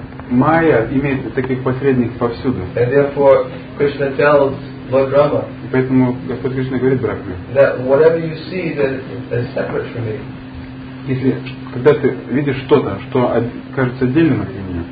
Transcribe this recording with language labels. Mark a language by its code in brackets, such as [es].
[ru] Майя имеет таких посредников повсюду. [en] And therefore, Krishna tells Lord Rama. [ru] И поэтому Господь Кришна говорит Брахме. [en] That whatever you see, that is separate from me. [ru] Если когда ты видишь что-то, что кажется отдельным от меня.